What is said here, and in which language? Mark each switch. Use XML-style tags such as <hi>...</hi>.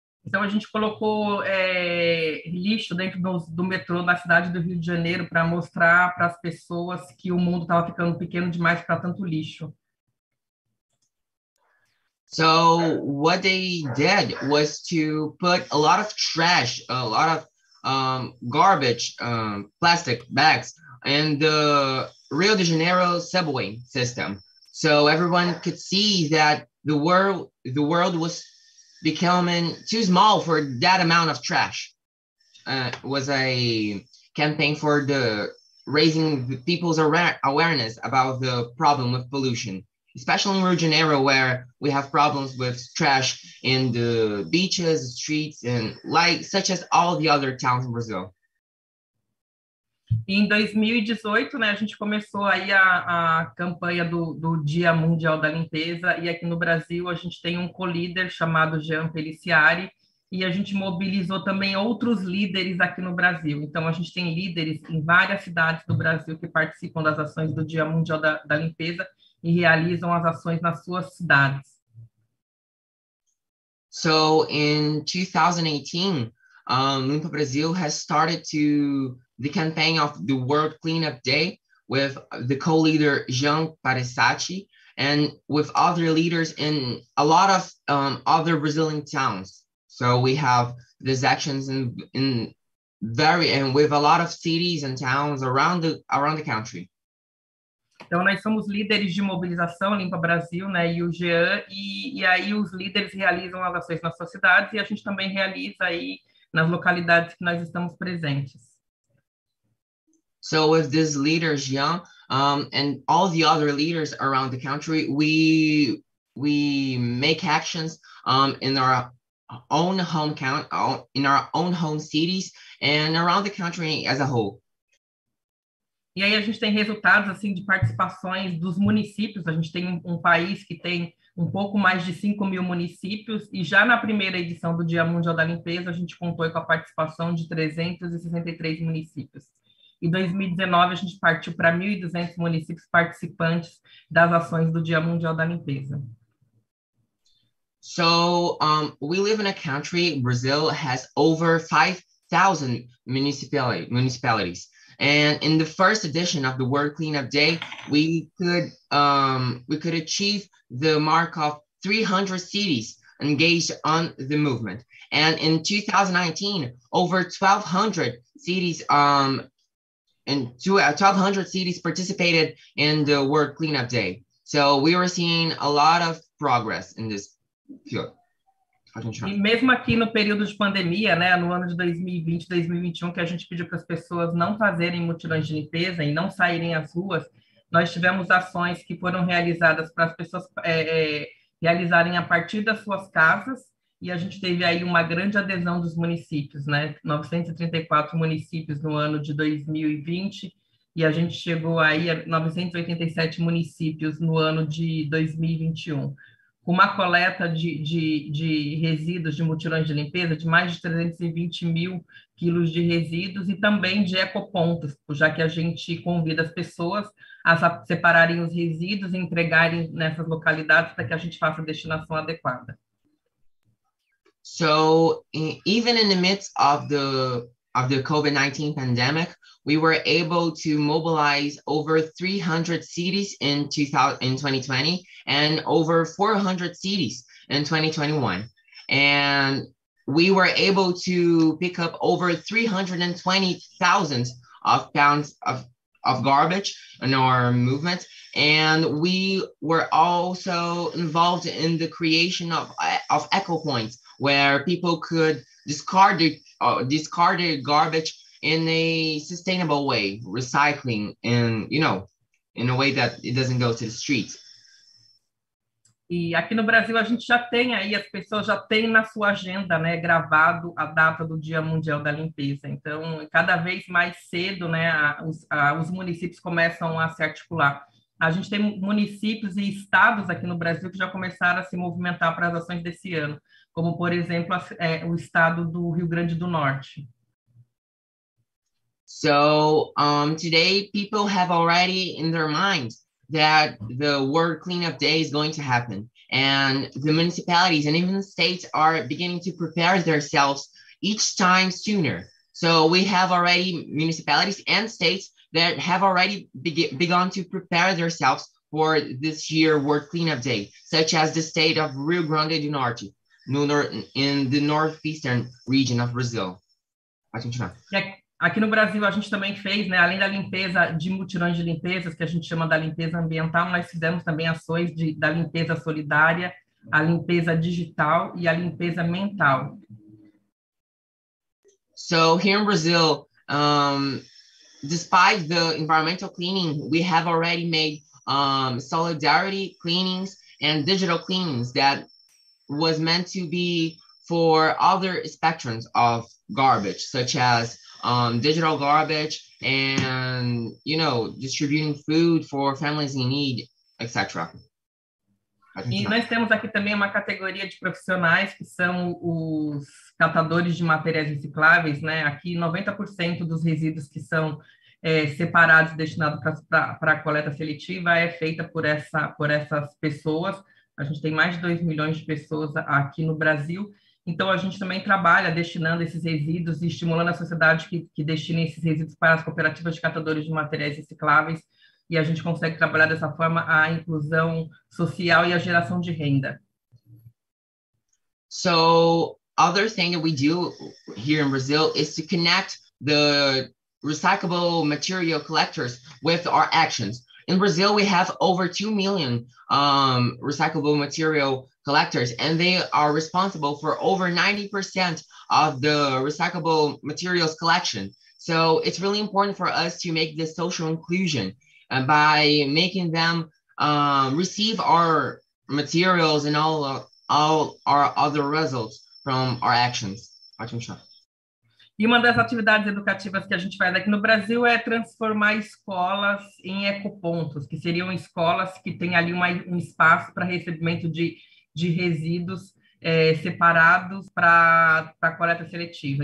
<pt>A gente colocou lixo dentro do metrô na cidade do Rio de Janeiro para mostrar para as pessoas que o mundo estava ficando pequeno demais para tanto lixo.</pt> <en>So what they did was to put a lot of trash, a lot of garbage, plastic bags in the Rio de Janeiro subway system. So everyone could see that the world was becoming too small for that amount of trash. Was a campaign for the raising the people's awareness about the problem with pollution, especially in Rio de Janeiro, where we have problems with trash in the beaches, streets, and like such as all the other towns in Brazil.</en> <pt>Em 2018, né, a gente começou aí a campanha do Dia Mundial da Limpeza, e aqui no Brasil a gente tem um co-líder chamado Jean Peliciari, e a gente mobilizou também outros líderes aqui no Brasil. Então a gente tem líderes em várias cidades do Brasil que participam das ações do Dia Mundial da Limpeza e realizam as ações nas suas cidades.</pt> <en>So in 2018, Limpa Brasil has started to the campaign of the World Cleanup Day with the co-leader Jean Parisacci and with other leaders in a lot of other Brazilian towns. So we have these actions and with a lot of cities and towns around the country.</en> <pt>Então nós somos líderes de mobilização Limpa Brasil, né, e o Jean, e aí os líderes realizam as ações nas suas cidades e a gente também realiza aí nas localidades que nós estamos presentes.</pt> <en>So with this leader, Jean, and all the other leaders around the country, we make actions in our own home count, in our own home cities, and around the country as a whole.</en> <pt>E aí a gente tem resultados assim de participações dos municípios. A gente tem um país que tem um pouco mais de 5 mil municípios, e já na primeira edição do Dia Mundial da Limpeza, a gente contou com a participação de 363 municípios. Em 2019, a gente partiu para 1.200 municípios participantes das ações do Dia Mundial da Limpeza.</pt> <en>So, we live in a country, Brazil has over 5 1,000 municipalities. And in the first edition of the World Cleanup Day, we could achieve the mark of 300 cities engaged on the movement. And in 2019, over 1,200 cities participated in the World Cleanup Day. So we were seeing a lot of progress in this field.</en> <pt>E mesmo aqui no período de pandemia, né, no ano de 2020, 2021, que a gente pediu para as pessoas não fazerem mutirões de limpeza e não saírem às ruas, nós tivemos ações que foram realizadas para as pessoas realizarem a partir das suas casas, e a gente teve aí uma grande adesão dos municípios, né, 934 municípios no ano de 2020, e a gente chegou aí a 987 municípios no ano de 2021. Uma coleta de resíduos de mutirões de limpeza de mais de 320 mil quilos de resíduos e também de ecopontos, já que a gente convida as pessoas a separarem os resíduos e entregarem nessas localidades para que a gente faça a destinação adequada.</pt> <en>So, even in the midst of the COVID-19 pandemic, we were able to mobilize over 300 cities in 2020 and over 400 cities in 2021. And we were able to pick up over 320,000 of pounds of garbage in our movement. And we were also involved in the creation of eco points where people could discarded garbage in a sustainable way, recycling, and, you know, in a way that it doesn't go to the streets.</en> <pt>E aqui no Brasil a gente já tem aí, as pessoas já têm na sua agenda, né, gravado a data do Dia Mundial da Limpeza. Então, cada vez mais cedo, né, os municípios começam a se articular. A gente tem municípios e estados aqui no Brasil que já começaram a se movimentar para as ações desse ano, como, por exemplo, o estado do Rio Grande do Norte.</pt> <en>So, today, people have already in their minds that the World Cleanup Day is going to happen. And the municipalities and even the states are beginning to prepare themselves each time sooner. So, we have already municipalities and states that have already begun to prepare themselves for this year World Cleanup Day, such as the state of Rio Grande do Norte. In the northeastern region of Brazil.</en> <pt>Aqui no Brasil, a gente também fez, né, além da limpeza de mutirões de limpezas, que a gente chama da limpeza ambiental, nós fizemos também ações da limpeza solidária, a limpeza digital e a limpeza mental.</pt> <en>So, here in Brazil, despite the environmental cleaning, we have already made solidarity cleanings and digital cleanings that was meant to be for other spectrums of garbage, such as digital garbage and, you know, distributing food for families in need, etc.</en> <pt>E nós temos aqui também uma categoria de profissionais que são os catadores de materiais recicláveis, né? Aqui 90% dos resíduos que são separados e destinados para a coleta seletiva é feita por essas pessoas. A gente tem mais de 2 milhões de pessoas aqui no Brasil, então a gente também trabalha destinando esses resíduos e estimulando a sociedade que destine esses resíduos para as cooperativas de catadores de materiais recicláveis, e a gente consegue trabalhar dessa forma a inclusão social e a geração de renda.</pt> <en>So, other thing that we do here in Brazil is to connect the recyclable material collectors with our actions. In Brazil, we have over 2 million recyclable material collectors, and they are responsible for over 90% of the recyclable materials collection. So it's really important for us to make this social inclusion by making them receive our materials and all our other results from our actions.</en> <pt>E uma das atividades educativas que a gente faz aqui no Brasil é transformar escolas em ecopontos, que seriam escolas que têm ali um espaço para recebimento de resíduos separados para coleta seletiva.</pt>